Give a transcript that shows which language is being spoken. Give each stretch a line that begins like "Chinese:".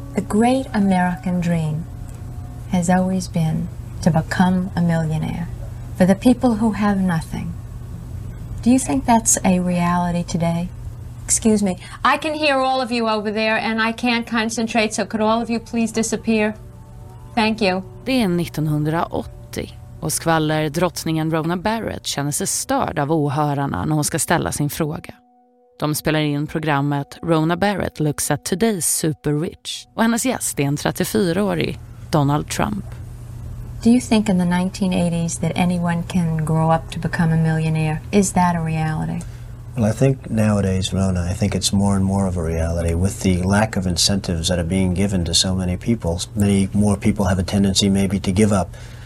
English: The great American dream has always been to become a millionaire for the people who have nothing. Do you think that's a reality today? Excuse me. I can hear all of you over there and I can't concentrate, so could all of you please disappear? Thank you.
Swedish: Det är 1980 och skvaller drottningen Rona Barrett känner sig störd av åhörarna när hon ska ställa sin fråga. De spelar in programmet Rona Barrett looks at today's super rich. Och hennes gäst är en 34-årig Donald Trump.
English: Do you think in the 1980s that anyone can grow up to become a millionaire? Is that a reality? Well, I think nowadays, Rona, I think it's more and more of a reality. With the lack of incentives that are being given to so many people, many more people have a tendency maybe to give up.